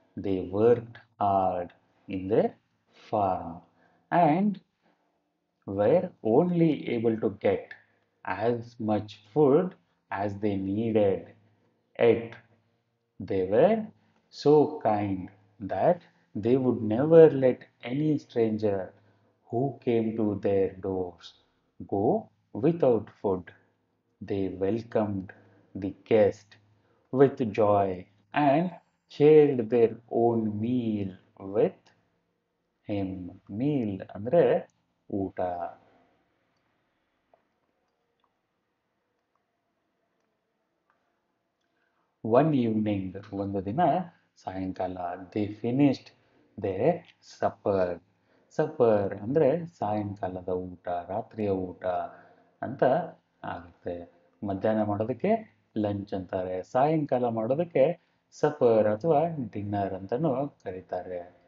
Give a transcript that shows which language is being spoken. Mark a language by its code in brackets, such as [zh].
[en] They worked hard in their farm and were only able to get as much food as they needed yet they were so kind that they would never let any stranger who came to their doors go without food. They welcomed the guest with joy and shared their own meal with him. [kn] Meal andre uta. [en] One evening, [kn] ondu dina sayankala, [en] they finished the supper. [kn] Supper ಅಂದರೆ ಸಾಯಂಕಾಲದ ಊಟ, ರಾತ್ರಿಯ ಊಟ ಅಂತ ಆಗುತ್ತೆ. ಮಧ್ಯಾಹ್ನ ಮಾಡೋದಕ್ಕೆ lunch ಅಂತಾರೆ, ಸಾಯಂಕಾಲ ಮಾಡೋದಕ್ಕೆ ಸಪ್ಪರ್ ಅಥವಾ ಡಿನ್ನರ್ ಅಂತಲೂ ಕರೀತಾರೆ.